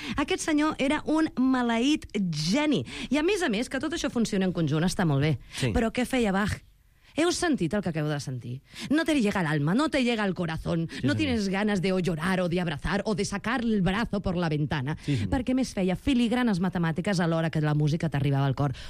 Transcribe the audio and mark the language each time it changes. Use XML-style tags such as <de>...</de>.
<ca>Aquest senyor era un maleït geni. I a més que tot això funciona en conjunt, està molt bé. Sí. Però què feia Bach? Heu sentit el que acabo de sentir?</ca> <es>No te llega el alma, no te llega el corazón, sí, no tienes ganas de o llorar o de abrazar o de sacar el brazo por la ventana.</es> <ca>Sí, sí. Perquè més feia filigranes matemàtiques a l'hora que la música t'arribava al cor.</ca>